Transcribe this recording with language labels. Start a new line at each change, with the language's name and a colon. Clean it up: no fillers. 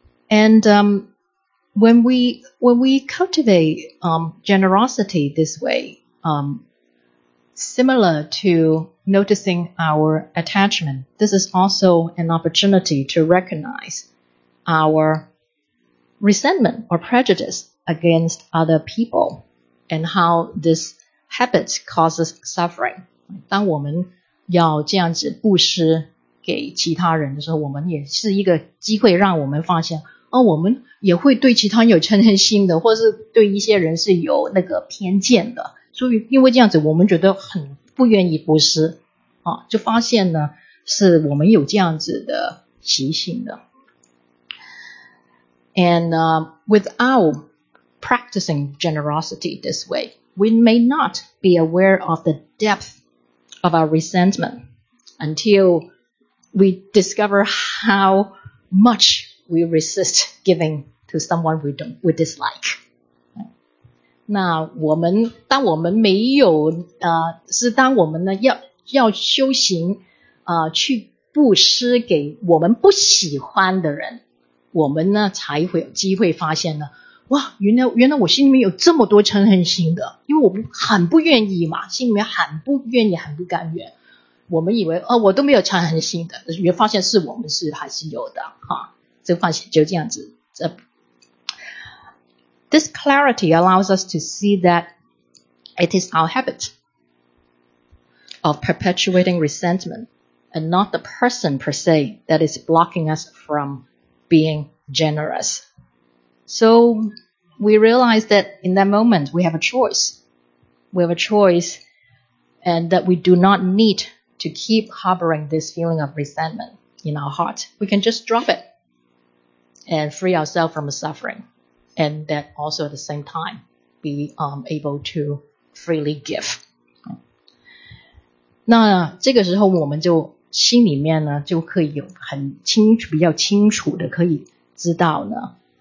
English: And when we cultivate generosity this way, similar to noticing our attachment, this is also an opportunity to recognize our resentment or prejudice against other people and how this habit causes suffering.
Chinese: 当我们要这样子布施给其他人的时候，我们也是一个机会让我们发现，哦，我们也会对其他人有嗔恨心的，或是对一些人是有那个偏见的。所以因为这样子我们觉得很不愿意布施啊，就发现呢是我们有这样子的习性的。
English: And without practicing generosity this way, we may not be aware of the depth of our resentment until we discover how much we resist giving to someone we dislike.
Chinese: 那我们当我们没有是当我们呢要修行去布施给我们不喜欢的人，我们呢才会有机会发现呢，哇，原来我心里面有这么多嗔恨心的，因为我很不愿意嘛，心里面很不愿意，很不甘愿。我们以为我都没有嗔恨心的，也发现是我们是还是有的哈，就发现就这样子。
English: This clarity allows us to see that it is our habit of perpetuating resentment and not the person per se that is blocking us from being generous. So we realize that in that moment we have a choice. We have a choice and that we do not need to keep harboring this feeling of resentment in our heart. We can just drop it and free ourselves from suffering. And that also at the same time be able to freely give.
Chinese: 那这个时候我们就心里面呢就可以有很清楚，比较清楚的可以知道呢，